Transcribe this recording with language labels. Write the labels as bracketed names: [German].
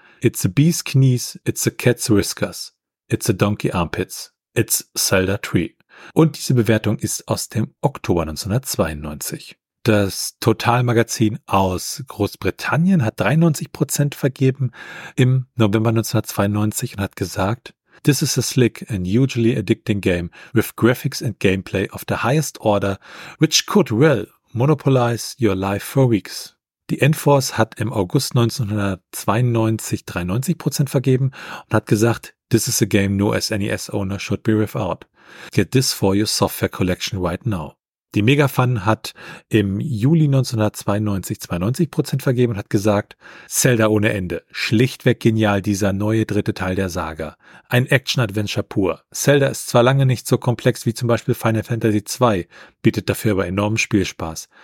[English] It's a bee's knees, it's a cat's whiskers, it's a donkey armpits, it's Zelda 3. [German] Und diese Bewertung ist aus dem Oktober 1992. Das Total Magazin aus Großbritannien hat 93% vergeben im November 1992 und hat gesagt: [English] This is a slick and hugely addicting game with graphics and gameplay of the highest order, which could well monopolize your life for weeks. [German] Die Enforce hat im August 1992 93% vergeben und hat gesagt: [English] This is a game no SNES owner should be without. Get this for your software collection right now. [German] Die Megafun hat im Juli 1992 92% vergeben und hat gesagt: Zelda ohne Ende. Schlichtweg genial, dieser neue dritte Teil der Saga. Ein Action-Adventure pur. Zelda ist zwar lange nicht so komplex wie zum Beispiel Final Fantasy II, bietet dafür aber enormen Spielspaß.